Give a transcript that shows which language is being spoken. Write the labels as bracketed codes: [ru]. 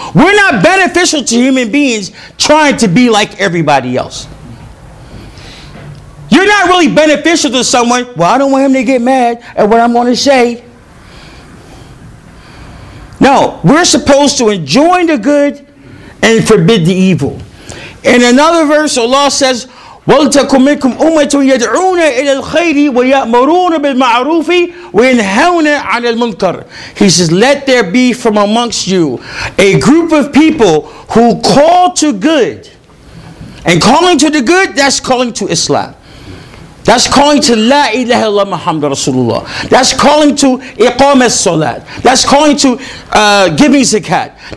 [en] We're not beneficial to human beings trying to be like everybody else. You're not really beneficial to someone. Well, I don't want him to get mad at what I'm going to say. No, we're supposed to enjoin the good and forbid the evil. [ar] In another verse, Allah says, وَلْتَكُمْ مِنْكُمْ أُمَّةٌ يَدْعُونَ إِلَى الْخَيْرِ وَيَأْمَرُونَ بِالْمَعْرُوفِ وَيَنْهَوْنَ عَنِ الْمُنْكَرِ. [en] He says, let there be from amongst you a group of people who call to good. And calling to the good, that's calling to Islam. That's calling to [ar] La ilaha illallah Muhammad Rasulullah. [en] That's calling to Iqam al-Salat. That's calling to giving zakat.